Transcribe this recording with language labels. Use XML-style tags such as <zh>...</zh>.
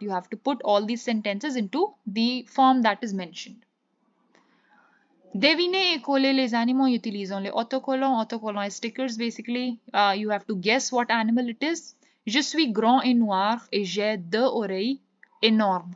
<en>You have to put all these sentences into the form that is mentioned.</en> <fr>Devinez et coller les animaux utilisant les autocollants.</fr> <en>Autocollants are stickers, basically. You have to guess what animal it is.</en> <fr>Je suis grand et noir et j'ai deux oreilles énormes.</fr>